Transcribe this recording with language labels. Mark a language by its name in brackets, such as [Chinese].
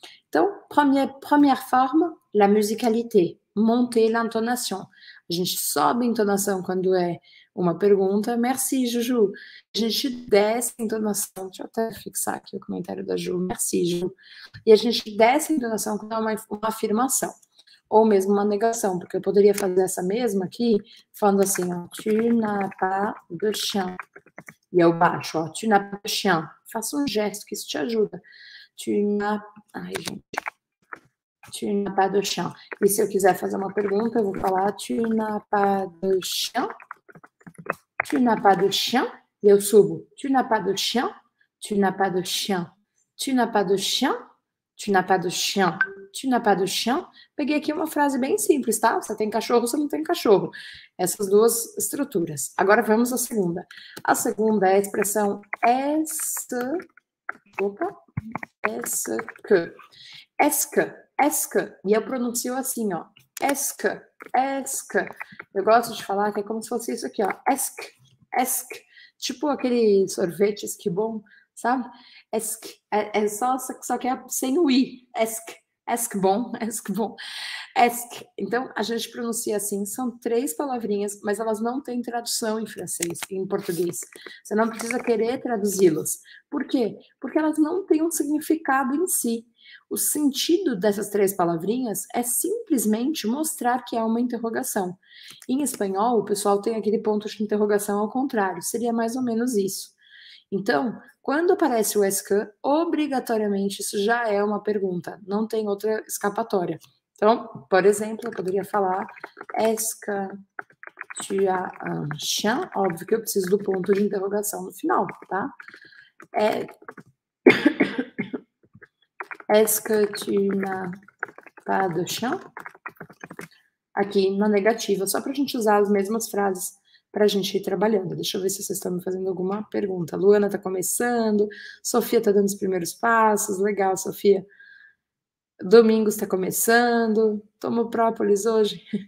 [Portuguese] Então, [French] première forme, la musicalité. Monter l'intonation. [Portuguese] A gente sobe a entonação quando é uma pergunta. [French] Merci, [Portuguese] Juju. A gente desce em donação. Deixa eu até fixar aqui o comentário da Ju. [French] Merci, [Portuguese] Ju. E a gente desce em donação quando é uma afirmação. Ou mesmo uma negação, porque eu poderia fazer essa mesma aqui, falando assim, ó, [French] tu n'as pas de chien. [Portuguese] E eu baixo, ó, [French] tu n'as pas de chien. [Portuguese] Faça um gesto que isso te ajuda. [French] Tu n'as... [Portuguese] Ai, gente. [French] Tu n'as pas de chien. [Portuguese] E se eu quiser fazer uma pergunta, eu vou falar [French] tu n'as pas de chien. Tu n'as pas de chien. [Portuguese] E eu subo. [French] Tu n'as pas de chien. Tu n'as pas de chien. Tu n'as pas de chien. Tu n'as pas de chien. Tu n'as pas de chien. [Portuguese] Peguei aqui uma frase bem simples, tá? Você tem cachorro, você não tem cachorro. Essas duas estruturas. Agora vamos à segunda. A segunda é a expressão est-ce. [French] Opa. Est-ce que. Est-ce que. [Portuguese] E eu pronuncio assim, ó. [French] Est-ce que. Est-ce que. [Portuguese] Eu gosto de falar que é como se fosse isso aqui, ó. Est-ce que. Est-ce que. Tipo aquele sorvete esquibom, sabe? Est-ce que. É só que é sem o i. Est-ce que. [French] Est-ce que bon, est-ce que bon, est-ce que. [Portuguese] Então, a gente pronuncia assim, são três palavrinhas, mas elas não têm tradução em francês, em português. Você não precisa querer traduzi-las. Por quê? Porque elas não têm um significado em si. O sentido dessas três palavrinhas é simplesmente mostrar que é uma interrogação. Em espanhol, o pessoal tem aquele ponto de interrogação ao contrário, seria mais ou menos isso. Então, quando aparece o est-ce que, obrigatoriamente isso já é uma pergunta, não tem outra escapatória. Então, por exemplo, eu poderia falar: [French] est-ce que tu as un chien? [Portuguese] Óbvio que eu preciso do ponto de interrogação no final, tá? [French] Est-ce que tu n'as pas de chien? [Portuguese] Aqui na negativa, só para a gente usar as mesmas frases. Para a gente ir trabalhando. Deixa eu ver se vocês estão me fazendo alguma pergunta. Luana está começando, Sofia está dando os primeiros passos, legal, Sofia. Domingos está começando, tomou própolis hoje.